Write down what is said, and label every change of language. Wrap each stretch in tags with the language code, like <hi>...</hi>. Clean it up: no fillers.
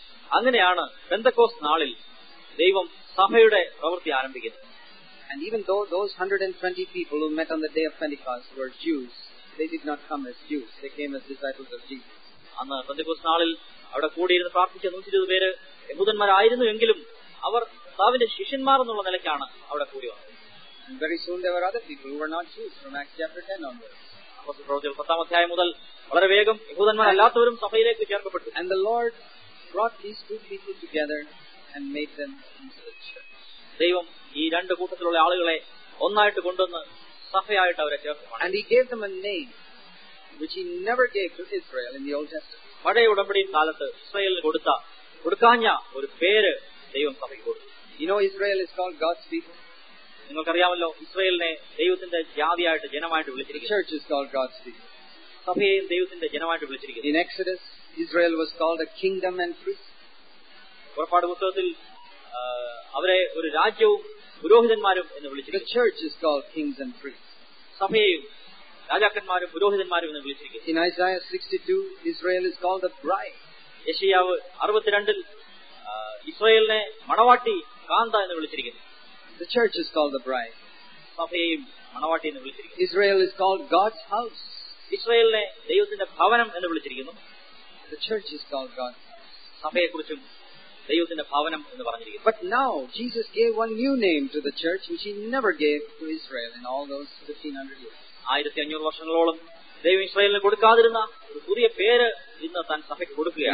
<ml>അങ്ങനെയാണ് പെന്തക്കോസ് നാളിൽ ദൈവം സഭയുടെ പ്രവൃത്തി ആരംഭിക്കുന്നത്.</ml> <en>And even though those 120 people who met on the day of Pentecost were Jews, they did not come as Jews. They came as disciples of Jesus.</en> <ml>അന്ന് പെന്തക്കോസ് നാളിൽ അവിടെ കൂടിയിരുന്ന് പ്രാർത്ഥിച്ച 120 പേര് യഹൂദന്മാരായിരുന്നുവെങ്കിലും അവർ കർത്താവിന്റെ ശിഷ്യന്മാർ എന്നുള്ള നിലയ്ക്കാണ് അവിടെ കൂടി വന്നത്.</ml> <en>And very soon there were other people who were not Jews from Acts chapter 10 onwards.</en> <ml>അപ്പോൾ പ്രവചനം 10-ാം അധ്യായം മുതൽ വളരെ വേഗം യഹൂദന്മാരല്ലാത്തവരും സഭയിലേക്ക് ചേർക്കപ്പെട്ടു.</ml> <en>And the Lord brought these two people together and made them into the church.</en> <ml>ദൈവം ഈ രണ്ട് കൂട്ടത്തിലുള്ള ആളുകളെ ഒന്നായിട്ട് കൊണ്ടുവന്ന് സഭയായിട്ട് അവരെ ചേർത്തു.</ml> <en>And he gave them a name which he never gave to Israel in the Old Testament.</en> <ml>പഴയ ഉടമ്പടിയിൽ കാലത്ത് ഇസ്രായേലിന് കൊടുത്ത കൊടുക്കാഞ്ഞ ഒരു പേര് ദൈവം സഭയ്ക്ക് കൊടുത്തു.</ml> <en>You know Israel is called God's people.</en> <ml>നിങ്ങൾക്കറിയാമല്ലോ ഇസ്രായേലിനെ ദൈവത്തിന്റെ ജാതിയായിട്ട് ജനമായിട്ട് വിളിച്ചിരിക്കുന്നു.</ml> <en>Church is called God's people.</en> <ml>സഭയെയും ദൈവത്തിന്റെ ജനമായിട്ട് വിളിച്ചിരിക്കുന്നു.</ml> <en>In Exodus, Israel was called a kingdom and priest.</en> <ml>പുറപ്പാട് പുസ്തകത്തിൽ അവരെ ഒരു രാജ്യവും പുരോഹിതന്മാരും എന്ന് വിളിച്ചിരിക്കുന്നു.</ml> <en>The church is called kings and priests.</en> <ml>സഭയെയും രാജാക്കന്മാരും പുരോഹിതന്മാരും എന്ന് വിളിച്ചിരിക്കുന്നു.</ml> <en>In Isaiah 62, Israel is called a bride.</en> <ml>യെശയ്യാവ് 62-ൽ ഇസ്രായേലിനെ മണവാട്ടി കാന്ത എന്ന് വിളിച്ചിരിക്കുന്നു.</ml> <en>The church is called the bride.</en> <ml>സഭയെയും മണവാട്ടി എന്ന് വിളിച്ചിരിക്കുന്നു.</ml> <en>Israel is called God's house.</en> <ml>ഇസ്രായേലിനെ ദൈവത്തിന്റെ ഭവനം എന്ന് വിളിച്ചിരിക്കുന്നു.</ml> <en>The church is called God's house.</en> <ml>സഭയെക്കുറിച്ചും ദൈവത്തിന്റെ ഭവനം എന്ന് പറഞ്ഞിരിക്കുന്നു.</ml> <en>But now Jesus gave one new name to the church which he never gave to Israel in all those 1500 years.</en> <ml>1500 വർഷങ്ങളോളം ദൈവം ഇസ്രായേലിന് കൊടുക്കാതിരുന്ന ഒരു പുതിയ പേര് ഇന്ന് താൻ സഭയ്ക്ക് കൊടുക്കുകയാണ്.</ml>